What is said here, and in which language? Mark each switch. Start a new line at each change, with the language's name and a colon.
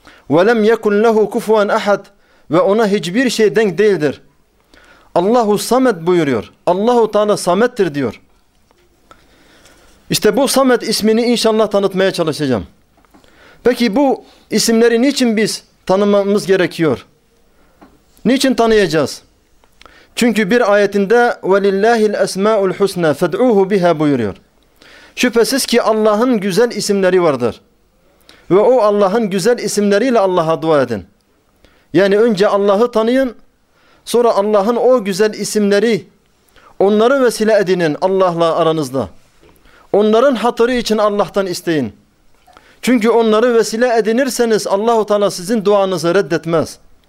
Arabic: Ve lem yekun lehu kufuven ahad,
Turkish: ve ona hiçbir şey denk değildir. Allahu samed buyuruyor. Allahu Teala samettir diyor. İşte bu Samet ismini inşallah tanıtmaya çalışacağım. Peki bu isimleri niçin biz tanımamız gerekiyor? Niçin tanıyacağız? Çünkü bir ayetinde
Arabic: وَلِلَّهِ الْاَسْمَاءُ الْحُسْنَى فَدْعُوهُ بِهَا
Turkish: buyuruyor. Şüphesiz ki Allah'ın güzel isimleri vardır. Ve o Allah'ın güzel isimleriyle Allah'a dua edin. Yani önce Allah'ı tanıyın, sonra Allah'ın o güzel isimleri, onları vesile edinin Allah'la aranızda. Onların hatırı için Allah'tan isteyin. Çünkü onları vesile edinirseniz Allah-u Teala sizin duanızı reddetmez.